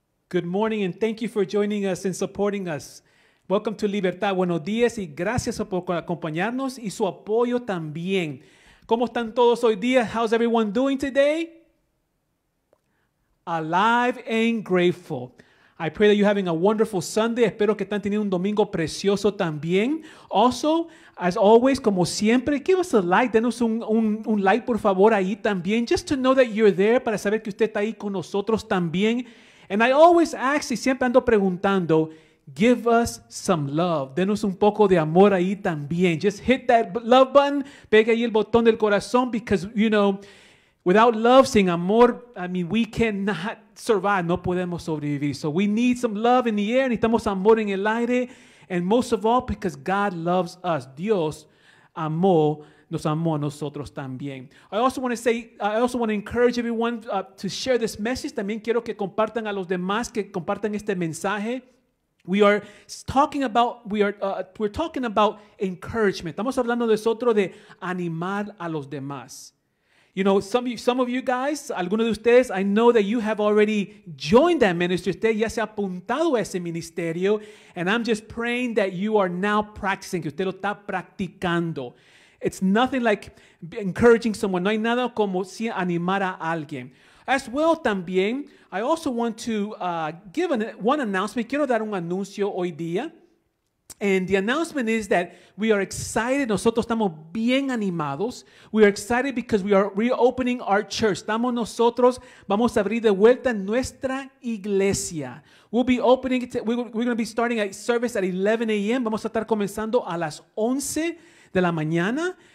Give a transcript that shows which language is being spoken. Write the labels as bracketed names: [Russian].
[English] Good morning and thank you for joining us and supporting us. Welcome to Libertad. [Spanish] Buenos días y gracias por acompañarnos y su apoyo también. ¿Cómo están todos hoy día? [English] How's everyone doing today? Alive and grateful. I pray that you're having a wonderful Sunday. [Spanish] Espero que están teniendo un domingo precioso también. [English] Also, as always, [Spanish] como siempre, [English] give us a like. [Spanish] Denos un like, por favor, ahí también. [English] Just to know that you're there, [Spanish] para saber que usted está ahí con nosotros también. [English] And I always ask, [Spanish] y siempre ando preguntando, [English] give us some love. [Spanish] Denos un poco de amor ahí también. [English] Just hit that love button. [Spanish] Pegue ahí el botón del corazón [English] because, you know, without love, [Spanish] sin amor, [English] I mean, we cannot survive. [Spanish] No podemos sobrevivir. [English] So we need some love in the air. [Spanish] Necesitamos amor en el aire. [English] And most of all, because God loves us. [Spanish] Dios amó, nos amó a nosotros también. [English] I also want to encourage everyone to share this message. [Spanish] También quiero que compartan a los demás, que compartan este mensaje. [English] We're talking about encouragement. [Spanish] Estamos hablando nosotros de animar a los demás. [English] You know, some of you guys, [Spanish] algunos de ustedes, [English] I know that you have already joined that ministry. [Spanish] Usted ya se ha apuntado a ese ministerio. [English] And I'm just praying that you are now practicing, [Spanish] que usted lo está practicando. [English] It's nothing like encouraging someone. [Spanish] No hay nada como si animar a alguien. [English] As well, [Spanish] también, [English] I also want to give one announcement. [Spanish] Quiero dar un anuncio hoy día. [English] And the announcement is that we are excited. [Spanish] Nosotros estamos bien animados. [English] We are excited because we are reopening our church. [Spanish] Estamos nosotros, vamos a abrir de vuelta nuestra iglesia. [English] We'll be opening, we're going to be starting a service at 11 a.m. [Spanish] Vamos a estar comenzando a las 11 de la mañana.